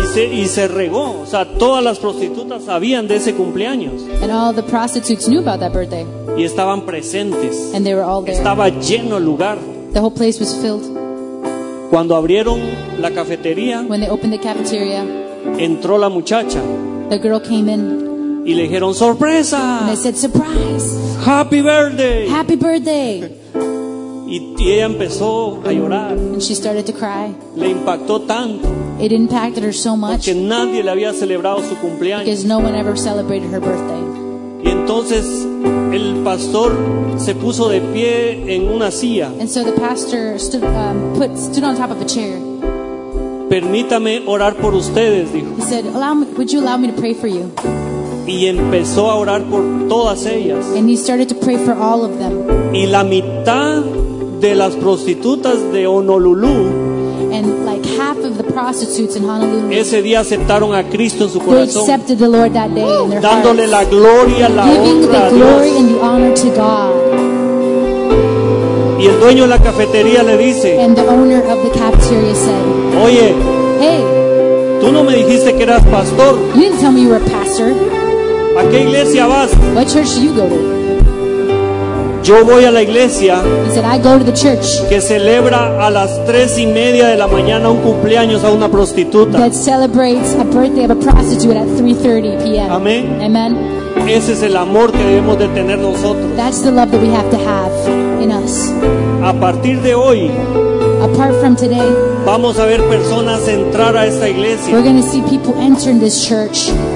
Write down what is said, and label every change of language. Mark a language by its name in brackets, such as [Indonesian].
[Spanish] Y se regó, o sea, todas las prostitutas sabían de ese cumpleaños. [English] And all the prostitutes knew about that birthday. [Spanish] Y estaban presentes. [English] And they were all there. [Spanish] Estaba lleno el lugar. [English] The whole place was filled. [Spanish] Cuando abrieron la cafetería, [English] when they opened the cafeteria, [Spanish] entró la muchacha. [English] The girl came in. [Spanish] Y le dijeron, ¡sorpresa! [English] And they said, surprise! Happy birthday! Happy birthday! [Spanish] Y ella empezó a llorar. [English] And she started to cry. [Spanish] Le impactó tanto. [English] It impacted her so much. [Spanish] Porque nadie le había celebrado su cumpleaños. [English] Because no one ever celebrated her birthday. [Spanish] Y entonces el pastor se puso de pie en una silla. [English] And so the pastor stood on top of a chair. [Spanish] Permítame orar por ustedes, dijo. [English] He said, would you allow me to pray for you? [Spanish] Y empezó a orar por todas ellas. [English] And he started to pray for all of them. [Spanish] Y la mitad de las prostitutas de Honolulu. [English] And like half of the prostitutes in Honolulu. [Spanish] Ese día aceptaron a Cristo en su corazón. [English] They accepted the Lord that day in their [Spanish] hearts. Dándole la gloria, la honra a Dios. [English] Giving the glory and the honor to God. [Spanish] Y el dueño de la cafetería le dice, [English] and the owner of the cafeteria said, [Spanish] oye, [English] hey, [Spanish] tú no me dijiste que eras pastor. [English] You didn't tell me you were a pastor. [Spanish] ¿A qué iglesia vas? [English] What church do you go to? [Spanish] Yo voy a la iglesia. [English] He said, I go to the church. [Spanish] Que celebra a las 3:30 de la mañana un cumpleaños a una prostituta. [English] That celebrates a birthday of a prostitute at 3:30 p.m. [Spanish] Amén. [English] Amen. [Spanish] Ese es el amor que debemos de tener nosotros. [English] That's the love that we have to have in us. [Spanish] A partir de hoy, [English] apart from today, [Spanish] vamos a ver personas entrar a esta iglesia. [English] We're going to see people enter in this church.